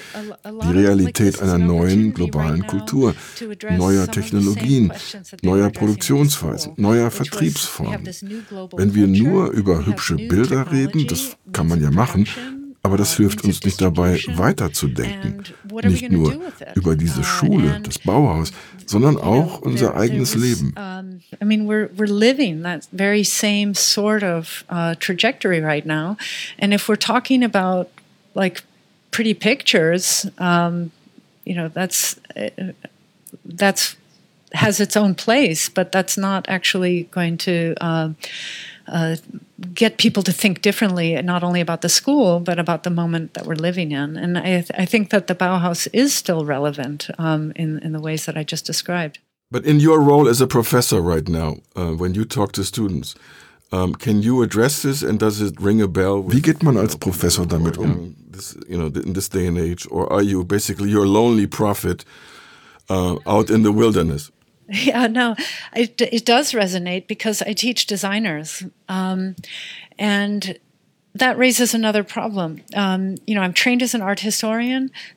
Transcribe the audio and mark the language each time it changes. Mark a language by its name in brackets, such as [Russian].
[German] Die Realität einer neuen globalen Kultur, neuer Technologien, neuer Produktionsweisen, neuer Vertriebsformen. Wenn wir nur über hübsche Bilder reden, das kann man ja machen, aber das hilft uns nicht dabei, weiterzudenken. Nicht nur über diese Schule, das Bauhaus, sondern auch unser eigenes Leben. [English] I mean, we're living that very same sort of trajectory right now. And if we're talking about, like, pretty pictures, you know, that's has its own place, but that's not actually going to get people to think differently, not only about the school, but about the moment that we're living in. And I think that the Bauhaus is still relevant in the ways that I just described. But in your role as a professor right now, when you talk to students, can you address this and does it ring a bell? [German] Wie geht man als Professor damit um? [English] You know, in this day and age, or are you basically your lonely prophet out in the wilderness? Yeah, no, it does resonate because I teach designers. And that raises another problem. You know, I'm trained as an art historian.